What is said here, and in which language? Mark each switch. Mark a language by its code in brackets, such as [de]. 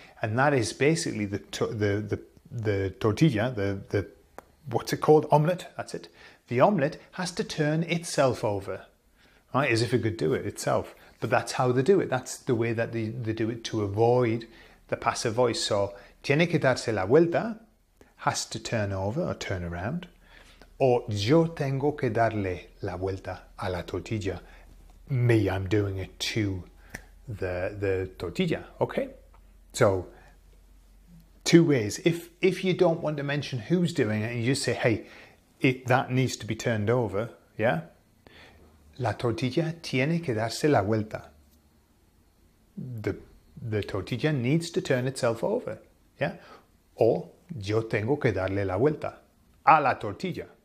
[en] And that is basically the tortilla, the what's it called? Omelette, that's it. The omelette has to turn itself over, right? As if it could do it itself. But that's how they do it. That's the way that they do it to avoid the passive voice. So, [es] tiene que darse la vuelta, [en] has to turn over or turn around. [es] Or, yo tengo que darle la vuelta a la tortilla. [en] Me, I'm doing it to the tortilla, okay? So, two ways. If you don't want to mention who's doing it, and you just say, hey, that needs to be turned over, yeah? [es] La tortilla tiene que darse la vuelta. [en] The tortilla needs to turn itself over, yeah? [es] Or, yo tengo que darle la vuelta a la tortilla.